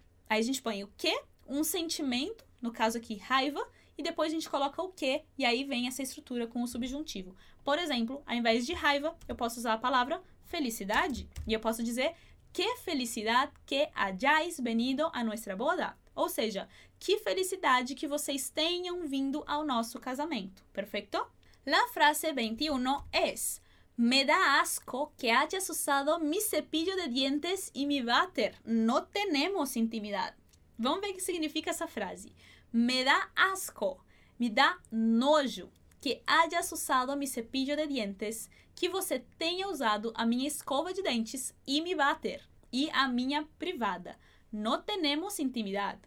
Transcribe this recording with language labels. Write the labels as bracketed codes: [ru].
[pt] Aí, a gente põe o que, um sentimento, no caso aqui, raiva, e depois a gente coloca o que, e aí vem essa estrutura com o subjuntivo. Por exemplo, ao invés de raiva, eu posso usar a palavra felicidade, e eu posso dizer que felicidade [es] que hayáis venido a nuestra boda. [pt] Ou seja, que felicidade que vocês tenham vindo ao nosso casamento. Perfeito? [es] La frase 21 es: me da asco que hayas usado mi cepillo de dientes y mi váter. No tenemos intimidad. [pt] Vamos ver o que significa essa frase. [es] Me da asco. [pt] Me dá nojo. [es] Que hayas usado mi cepillo de dientes. [pt] Que você tenha usado a minha escova de dentes e mi váter. E a minha privada. [es] No tenemos intimidad.